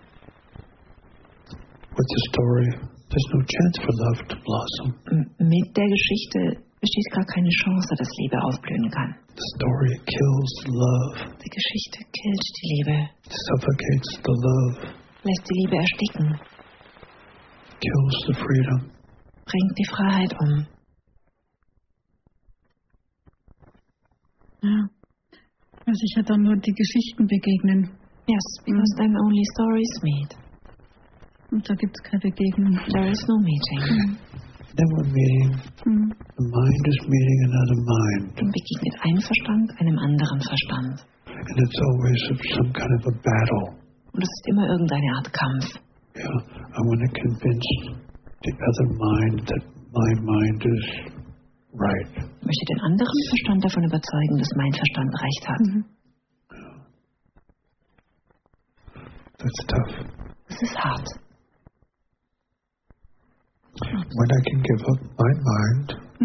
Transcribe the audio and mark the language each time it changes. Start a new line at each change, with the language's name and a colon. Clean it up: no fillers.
English: with the story, there's no chance for love to blossom.
German: Mit der Geschichte besteht gar keine Chance, dass Liebe aufblühen kann.
English: The story kills love.
German: Die Geschichte killt die Liebe.
English: Suffocates the love.
German: Lässt die Liebe ersticken.
English: Kills the freedom.
German: Bringt die Freiheit um. Ja, weil sich ja dann nur die Geschichten begegnen.
English: Yes, because then only stories meet.
German: Und da gibt es keine Begegnung.
English: There is no meeting. Then we're meeting. The mind is meeting another mind.
German: Dann begegnet ein Verstand einem anderen Verstand.
English: And it's always some kind of a battle.
German: Und es ist immer irgendeine Art Kampf.
English: Yeah, I want to convince the other mind that my mind is right.
German: Ich möchte den anderen Verstand davon überzeugen, dass mein Verstand recht hat.
English: Yeah. That's tough.
German: Das ist hart.
English: When I can give up my mind,